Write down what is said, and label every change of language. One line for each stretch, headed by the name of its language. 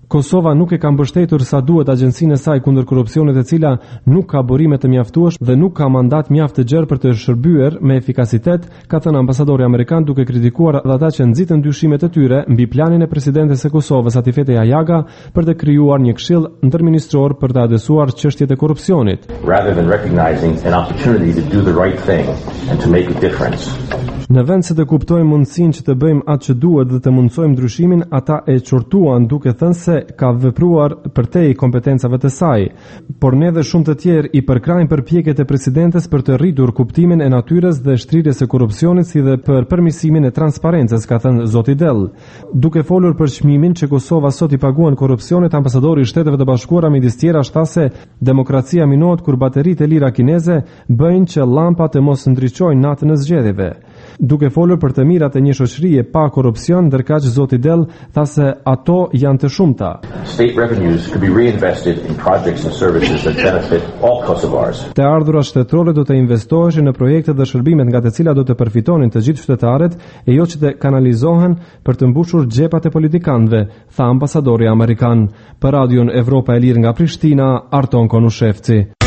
Albanian: Kosova nuk e ka mbështetur sa duhet agjencinë e saj kundër korrupsionit, e cila nuk ka burime të mjaftueshme dhe nuk ka mandat mjaft të gjerë për të shërbyer me efikasitet, ka thënë ambasadori amerikan, duke kritikuar dhe ata që nxitën dyshimet e tyre mbi planin e presidentes e Kosovës Atifete Ajaga për të krijuar një këshill ndërministror për të adresuar çështjet e korrupsionit.
English: Rather than recognizing an opportunity to do the right thing and to make a difference.
Albanian: Në vend se të kuptojmë mundësinë që të bëjmë atë që duhet dhe të mundsojmë ndryshimin, ata e çortuan duke thënë se ka vepruar përtej kompetencave të saj, por ne dhe shumë të tjerë i përkrajmë përpjekjet e presidentes për të rritur kuptimin e natyrës dhe shtrirjes së korrupsionit, si dhe për përmirësimin e transparencës, ka thënë zoti Dell. Duke folur për çmimin që Kosova sot i paguan korrupsionit, ambasadori i Shteteve të Bashkuara midis tjera tha se demokracia minohet kur bateritë e lira kineze bëjnë që llampat e mos ndriçojnë natën e zgjedhjeve. Duke folur për të mirat e një shoqërie pa korrupsion, ndërkaq zoti Dell tha se ato janë të shumta.
English: State revenues could be reinvested in projects and services that benefit all Kosovars.
Albanian: Të ardhurat shtetërore do të investoheshin në projekte dhe shërbimet nga të cilat do të përfitonin të gjithë qytetarët, e jo që të kanalizohen për të mbushur xhepat e politikanëve, tha ambasadori amerikan. Për Radion Evropa e Lirë nga Prishtina, Arton Konushevci.